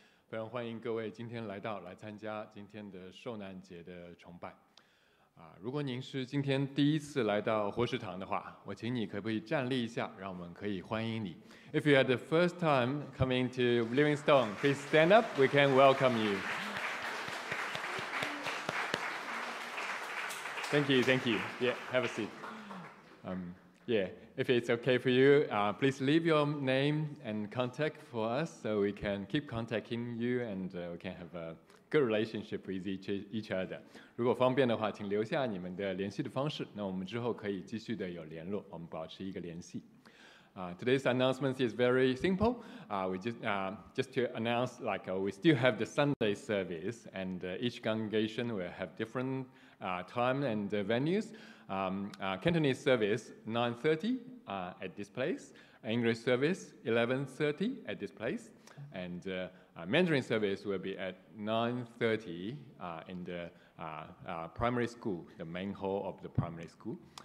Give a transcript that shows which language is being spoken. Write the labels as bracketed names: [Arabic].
[Chinese] 非常欢迎各位今天来到来参加今天的受难节的崇拜。如果您是今天第一次来到活石堂的话，我请你可不可以站立一下，让我们可以欢迎你。 [English] If you are the first time coming to Livingstone, please stand up. We can welcome you. Thank you, thank you. Yeah, have a seat. Yeah, if it's okay for you, please leave your name and contact for us so we can keep contacting you and we can have a good relationship with each other. [Chinese] 如果方便的话，请留下你们的联系的方式，那我们之后可以继续的有联络，我们保持一个联系。 [English] Today's announcement is very simple. We just to announce, we still have the Sunday service, and each congregation will have different time and venues. Cantonese service 9:30 at this place. English service 11:30 at this place, and Mandarin service will be at 9:30 in the primary school, the main hall of the primary school.